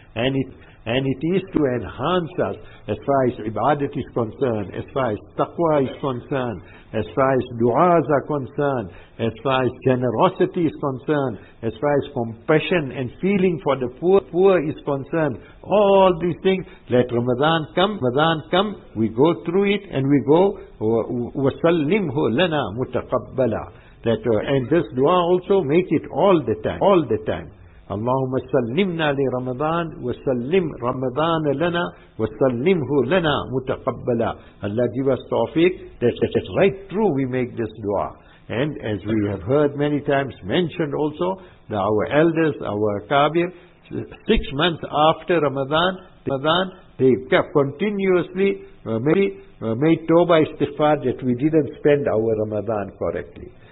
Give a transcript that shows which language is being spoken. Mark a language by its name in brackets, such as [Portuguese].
[English] And it is to enhance us as far as ibadat is concerned, as far as taqwa is concerned, as far as du'as are concerned, as far as generosity is concerned, as far as compassion and feeling for the poor is concerned. All these things, let Ramadan come, we go through it and we go, [Arabic] وَسَلِّمْهُ لَنَا مُتَقَبَّلًا. [English] And this du'a also, make it all the time. [Arabic] اللهم سلمنا لرمضان وسلم رمضان لنا وسلمه لنا متقبلا. [English] Allah give us tawfiq. That's right, true, we make this dua. And as we have heard many times mentioned also, that our elders, our kabir, 6 months after Ramadan, they kept continuously made tawbah istighfar that we didn't spend our Ramadan correctly.